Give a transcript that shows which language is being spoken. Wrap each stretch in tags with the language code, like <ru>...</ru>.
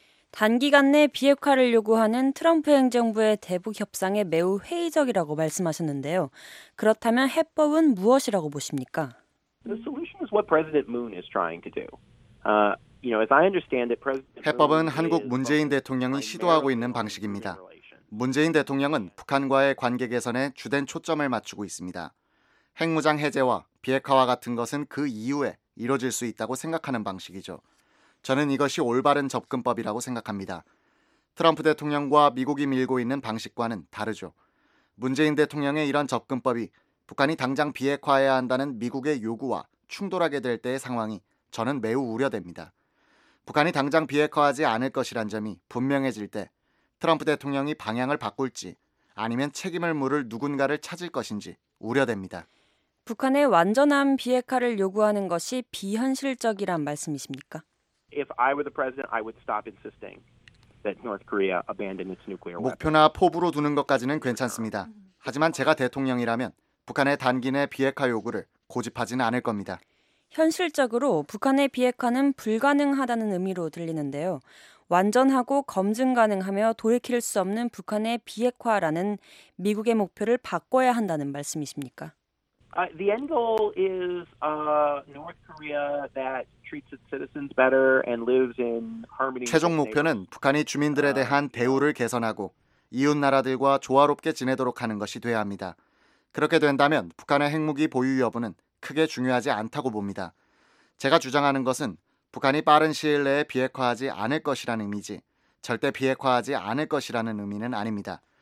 <ko>단기간 내 비핵화를 요구하는 트럼프 행정부의 대북 협상에 매우 회의적이라고 말씀하셨는데요. 그렇다면 해법은 무엇이라고 보십니까?</ko> <en>The solution is what President Moon is trying to do. You know, as I understand it, President Moon</en> <ko>해법은 한국 문재인 대통령이 시도하고 있는 방식입니다. 문재인 대통령은 북한과의 관계 개선에 주된 초점을 맞추고 있습니다. 핵무장 해제와 비핵화와 같은 것은 그 이후에 이루어질 수 있다고 생각하는 방식이죠. 저는 이것이 올바른 접근법이라고 생각합니다. 트럼프 대통령과 미국이 밀고 있는 방식과는 다르죠. 문재인 대통령의 이런 접근법이 북한이 당장 비핵화해야 한다는 미국의 요구와 충돌하게 될 때의 상황이 저는 매우 우려됩니다. 북한이 당장 비핵화하지 않을 것이란 점이 분명해질 때 트럼프 대통령이 방향을 바꿀지 아니면 책임을 물을 누군가를 찾을 것인지 우려됩니다. 북한의 완전한 비핵화를 요구하는 것이 비현실적이란 말씀이십니까?</ko> <en>If I were the president, I would stop insisting that North Korea abandon its nuclear weapons.</en> <ko>목표나 포부로 두는 것까지는 괜찮습니다. 하지만 제가 대통령이라면 북한의 단기 내 비핵화 요구를 고집하지는 않을 겁니다. 현실적으로 북한의 비핵화는 불가능하다는 의미로 들리는데요. 완전하고 검증 가능하며 돌이킬 수 없는 북한의 비핵화라는 미국의 목표를 바꿔야 한다는 말씀이십니까?</ko> <en>The end goal is North Korea that treats its citizens better and lives in harmony.</en> <ko>최종 목표는 북한이 주민들에 대한 대우를 개선하고 이웃 나라들과 조화롭게 지내도록 하는 것이 돼야 합니다. 그렇게 된다면 북한의 핵무기 보유 여부는 크게 중요하지 않다고 봅니다. 제가 주장하는 것은 북한이 빠른 시일 내에 비핵화하지 않을 것이라는 의미지 절대 비핵화하지 않을 것이라는 의미는 아닙니다.</ko>